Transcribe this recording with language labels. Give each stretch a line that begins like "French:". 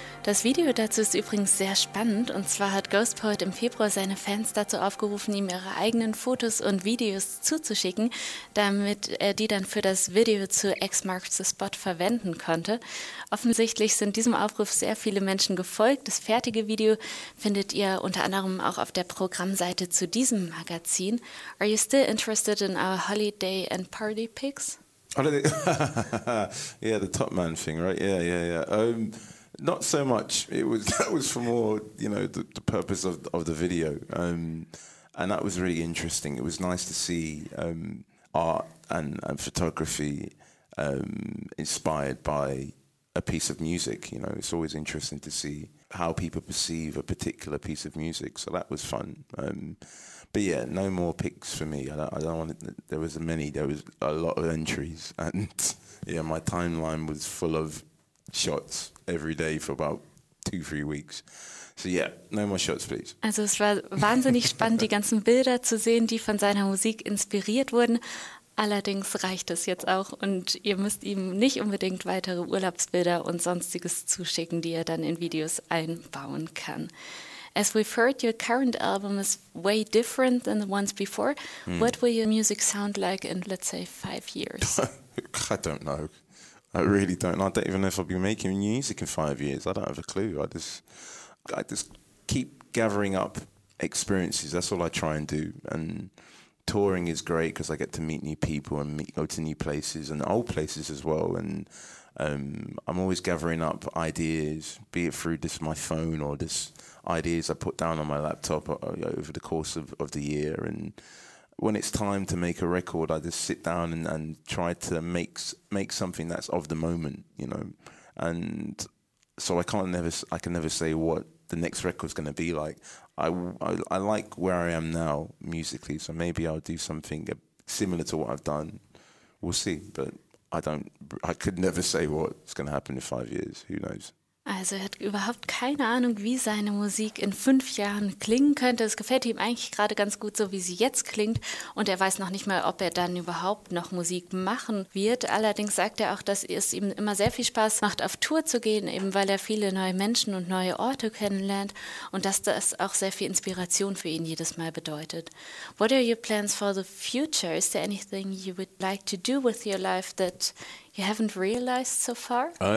German: Das Video dazu ist übrigens sehr spannend und zwar hat Ghost Poet im Februar seine Fans dazu aufgerufen, ihm ihre eigenen Fotos und Videos zuzuschicken, damit er die dann für das Video zu X Marks the Spot verwenden konnte. Offensichtlich sind diesem Aufruf sehr viele Menschen gefolgt. Das fertige Video findet ihr unter anderem auch auf der Programmseite zu diesem Magazin.
English: Are you still interested in our holiday and party pics? Yeah, the top man thing, right? Yeah. Not so much. That was for more, you know, the purpose of the video. And that was really interesting. It was nice to see art and photography inspired by a piece of music. You know, it's always interesting to see how people perceive a particular piece of music. So that was fun. But yeah, no more pics for me. I don't want to, there was many. There was a lot of entries. And yeah, my timeline was full of shots every day for about 2-3 weeks. So yeah, no more shots, please. Also es war wahnsinnig spannend, die ganzen Bilder zu sehen, die von seiner Musik inspiriert wurden. Allerdings reicht es jetzt auch und ihr müsst ihm nicht unbedingt weitere Urlaubsbilder und Sonstiges zuschicken, die er dann in Videos einbauen kann. As we've heard, your current album is way different than the ones before. Mm. What will your music sound like in, let's say, 5 years? I don't know. I really don't. I don't even know if I'll be making music in 5 years. I don't have a clue. I just keep gathering up experiences. That's all I try and do. And touring is great because I get to meet new people and go to new places and old places as well. And I'm always gathering up ideas, be it through just my phone or just ideas I put down on my laptop over the course of the year. And when it's time to make a record, I just sit down and try to make something that's of the moment, you know. And so I can never say what the next record's going to be like. I like where I am now musically, so maybe I'll do something similar to what I've done. We'll see, but I could never say what's going to happen in 5 years. Who knows?
German: Also er hat überhaupt keine Ahnung, wie seine Musik in 5 Jahren klingen könnte. Es gefällt ihm eigentlich gerade ganz gut so, wie sie jetzt klingt. Und er weiß noch nicht mal, ob er dann überhaupt noch Musik machen wird. Allerdings sagt er auch, dass es ihm immer sehr viel Spaß macht, auf Tour zu gehen, eben weil er viele neue Menschen und neue Orte kennenlernt und dass das auch sehr viel Inspiration für ihn jedes Mal bedeutet.
English: What are your plans for the future? Is there anything you would like to do with your life that you haven't realized so far?